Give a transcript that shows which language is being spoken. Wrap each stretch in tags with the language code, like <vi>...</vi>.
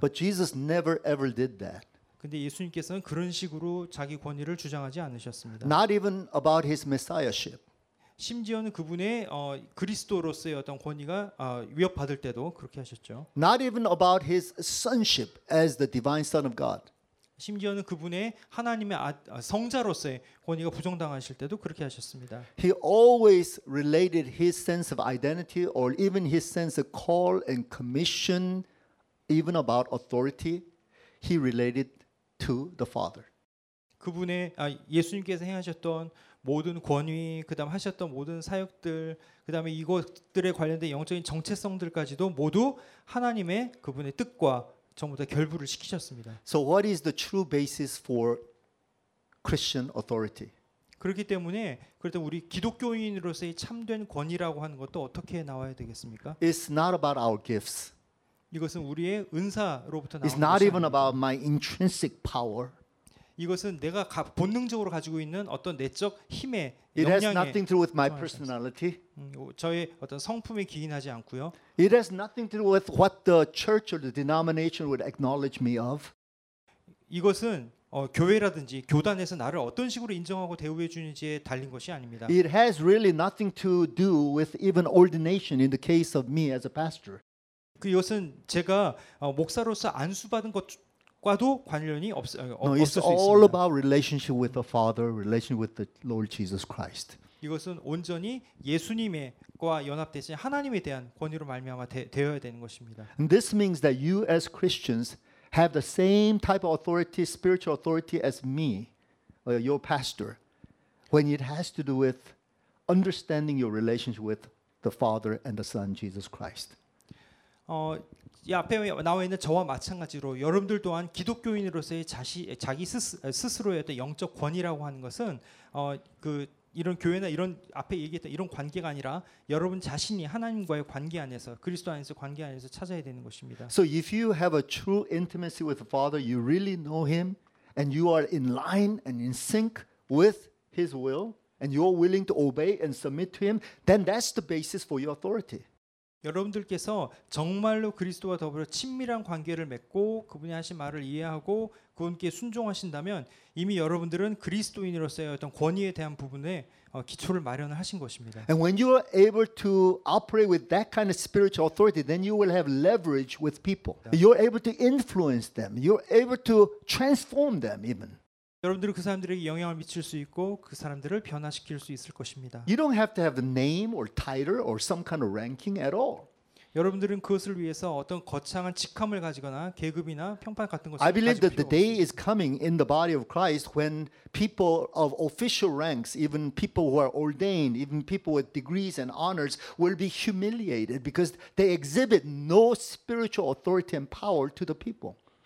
<en>But Jesus never ever did that.</en> <ko>근데 예수님께서는 그런 식으로 자기 권위를 주장하지 않으셨습니다.</ko> <en>Not even about his messiahship.</en> <ko>심지어는 그분의 그리스도로서의 어떤 권위가 위협받을 때도 그렇게 하셨죠.</ko> <en>Not even about his sonship as the divine son of God.</en> <ko>심지어는 그분의 하나님의 성자로서의 권위가 부정당하실 때도 그렇게 하셨습니다.</ko> <en>He always related his sense of identity or even his sense of call and commission, even about authority, he related to the Father.</en> <ko>그분의 예수님께서 행하셨던 모든 권위, 그다음 하셨던 모든 사역들, 그다음에 이것들에 관련된 영적인 정체성들까지도 모두 하나님의 그분의 뜻과 전부 다 결부를 시키셨습니다.</ko> <en>So what is the true basis for Christian authority?</en> <ko>그렇기 때문에 그래도 우리 기독교인으로서의 참된 권위라고 하는 것도 어떻게 나와야 되겠습니까?</ko> <en>It's not about our gifts.</en> <ko>이것은 우리의 은사로부터 나온</ko> <en>It's not</en> <ko>것이</ko> <en>even about my intrinsic power.</en> <ko>이것은 내가 본능적으로 가지고 있는 어떤 내적 힘의</ko> <en>It has nothing to do with my personality.</en> <ko>저의 어떤 성품에 기인하지 않고요.</ko> <en>It has nothing to do with what the church or the denomination would acknowledge me of.</en> <ko>이것은 교회라든지 교단에서 나를 어떤 식으로 인정하고 대우해 주는지에 달린 것이 아닙니다.</ko> <en>It has really nothing to do with even ordination in the case of me as a pastor.</en> <ko>그것은 제가 목사로서 안수받은 것 과도 관련이 없을 수 있습니다.</ko> <en>No, it's all about relationship with the Father, relationship with the Lord Jesus Christ.</en> <ko>이것은 온전히 예수님과 연합되신 하나님에 대한 권위로 말미암아 되어야 되는 것입니다.</ko> <en>And this means that you as Christians have the same type of authority, spiritual authority as me, your pastor, when it has to do with understanding your relationship with the Father and the Son, Jesus Christ.</en> <ko>이 앞에 나와 있는 저와 마찬가지로 여러분들 또한 기독교인으로서의 자기 스스로의 어떤 영적 권위라고 하는 것은 그 이런 교회나 이런 앞에 얘기했던 이런 관계가 아니라 여러분 자신이 하나님과의 관계 안에서 그리스도 안에서 관계 안에서 찾아야 되는 것입니다.</ko> <en>So if you have a true intimacy with the Father, you really know him and you are in line and in sync with his will and you're willing to obey and submit to him, then that's the basis for your authority.</en> <ko>여러분들께서 정말로 그리스도와 더불어 친밀한 관계를 맺고 그분이 하신 말을 이해하고 그분께 순종하신다면 이미 여러분들은 그리스도인으로서의 어떤 권위에 대한 부분에 기초를 마련을 하신 것입니다.</ko> <en>And when you are able to operate with that kind of spiritual authority, then you will have leverage with people. You're able to influence them. You're able to transform them even.</en> <ko>여러분들은 그 사람들에게 영향을 미칠 수 있고 그 사람들을 변화시킬 수 있을 것입니다.</ko> <en>You don't have to have the name or title or some kind of ranking at all.</en> <ko>여러분들은 그것을 위해서 어떤 거창한 직함을 가지거나 계급이나 평판 같은 것을</ko> <en>I believe that the day is coming in the body of Christ when people of official ranks, even people who are ordained, even people with degrees and honors will be humiliated because they exhibit no spiritual authority and power to the people.</en>